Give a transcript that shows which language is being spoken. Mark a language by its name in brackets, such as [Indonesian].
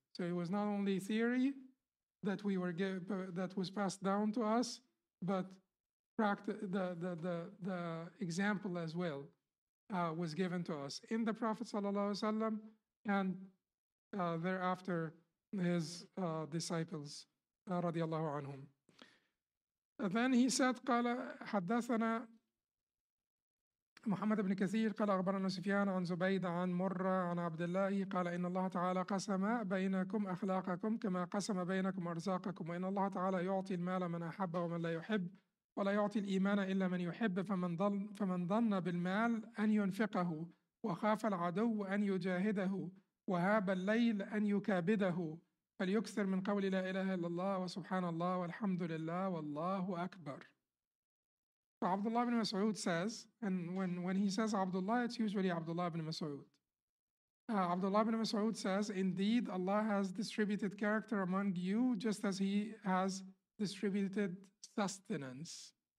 [English] So it was not only theory that we were that was passed down to us, but the example as well was given to us in the Prophet sallallahu alaihi wasallam and thereafter his disciples radiallahu anhum. Then he said, [Arabic] قال حدثنا محمد بن كثير قال أخبرنا سفيان عن زبيد عن مرة عن عبد الله قال إن الله تعالى قسم بينكم أخلاقكم كما قسم بينكم أرزاقكم وإن الله تعالى يعطي المال من أحب ومن لا يحب ولا يعطي الإيمان إلا من يحب فمن ظن بالمال أن ينفقه وخاف العدو أن يجاهده وهاب الليل أن يكابده فليكثر من قول لا إله إلا الله وسبحان الله والحمد لله والله أكبر. [English] So Abdullah ibn Mas'ud says, and when he says Abdullah, it's usually Abdullah ibn Mas'ud. Abdullah ibn Mas'ud says, indeed, Allah has distributed character among you just as he has distributed sustenance.